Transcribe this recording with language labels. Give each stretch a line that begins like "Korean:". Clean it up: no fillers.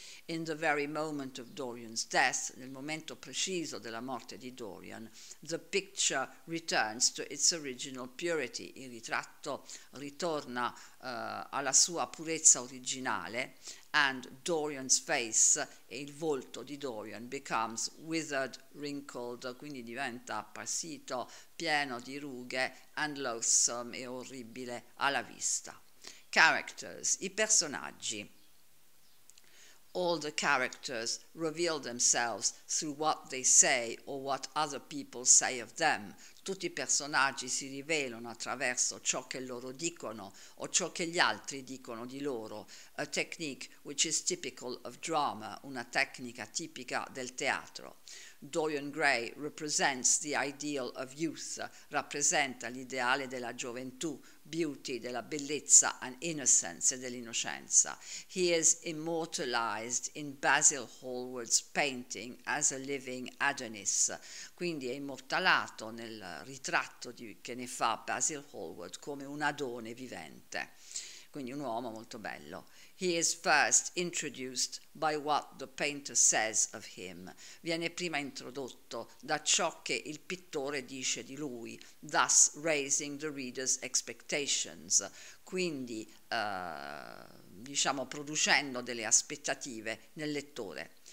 English: In the very moment of Dorian's death,
Italian: nel momento preciso della morte di Dorian,
English: the picture returns to its original purity,
Italian: il ritratto ritorna alla sua purezza originale,
English: and Dorian's face,
Italian: e il volto di Dorian,
English: becomes withered, wrinkled,
Italian: quindi diventa appassito, pieno di rughe,
English: and loathsome,
Italian: e orribile alla vista.
English: Characters,
Italian: i personaggi.
English: All the characters reveal themselves through what they say or what other people say of them.
Italian: Tutti i personaggi si rivelano attraverso ciò che loro dicono o ciò che gli altri dicono di loro.
English: A technique which is typical of drama,
Italian: una tecnica tipica del teatro.
English: Dorian Gray represents the ideal of youth,
Italian: rappresenta l'ideale della gioventù,
English: beauty,
Italian: della bellezza,
English: and innocence,
Italian: e dell'innocenza.
English: He is immortalized in Basil Hallward's painting as a living Adonis,
Italian: quindi è immortalato nel ritratto che ne fa Basil Hallward come un Adone vivente, quindi un uomo molto bello.
English: He is first introduced by what the painter says of him.
Italian: Viene prima introdotto da ciò che il pittore dice di lui,
English: thus raising the reader's expectations.
Italian: Quindi, diciamo, producendo delle aspettative nel lettore.